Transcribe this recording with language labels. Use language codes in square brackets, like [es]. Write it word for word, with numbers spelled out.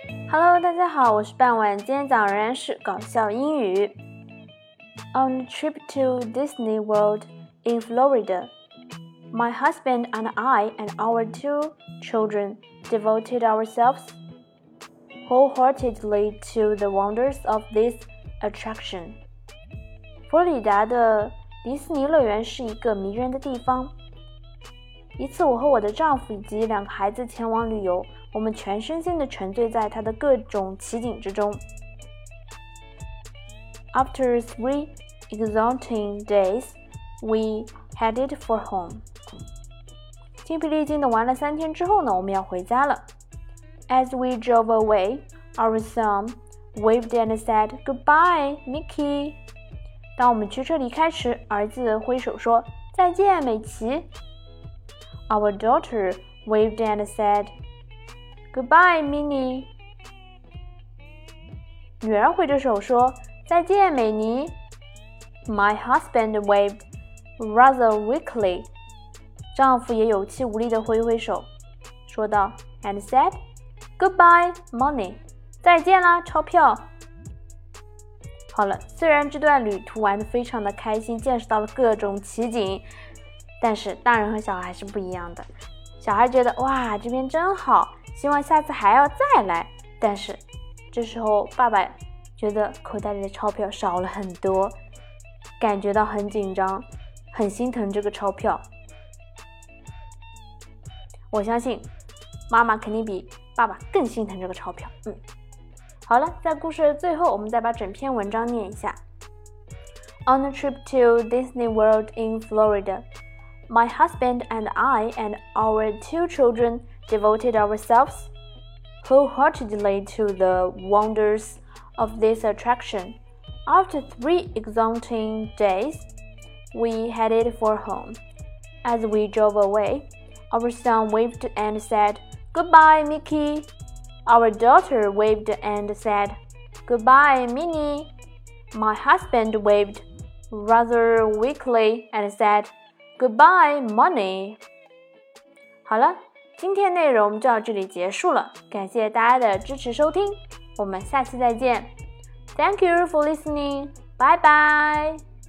[zh] Hello， 大家好，我是半晚，今天讲仍然是搞笑英语。 [en] On a trip to Disney World in Florida, my husband and I and our two children devoted ourselves wholeheartedly to the wonders of this attraction. [zh] 佛罗里达的迪士尼乐园是一个迷人的地方。一次，我和我的丈夫以及两个孩子前往旅游。我们全身心地沉醉在它的各种奇景之中。 [en] After three exhausting days, we headed for home. [zh] 精疲力尽地玩了三天之后呢，我们要回家了。 [en] As we drove away, our son waved and said, "Goodbye, Mickey." [zh] 当我们驱车离开时，儿子挥手说再见，美琪。 [en] Our daughter waved and said. Goodbye, Minnie. [zh] 女儿挥着手说再见美妮。 [en] My husband waved rather weakly. [zh] 丈夫也有气无力地挥挥手说道 [en] and said, Goodbye, money. [zh] 再见啦钞票。好了，虽然这段旅途玩得非常的开心，见识到了各种奇景，但是大人和小孩是不一样的。小孩觉得哇这边真好，希望下次还要再来，但是这时候爸爸觉得口袋里的钞票少了很多，感觉到很紧张，很心疼这个钞票。我相信妈妈肯定比爸爸更心疼这个钞票。嗯，好了，在故事的最后，我们再把整篇文章念一下。 [en] On a trip to Disney World in Florida, my husband and I and our two children. Devoted ourselves wholeheartedly to the wonders of this attraction. After three exhausting days, we headed for home. As we drove away, our son waved and said, "Goodbye, Mickey." Our daughter waved and said, "Goodbye, Minnie." My husband waved rather weakly and said, "Goodbye, money." [zh] 好了。今天内容就到这里结束了，感谢大家的支持收听，我们下期再见。 [en] Thank you for listening. Bye bye.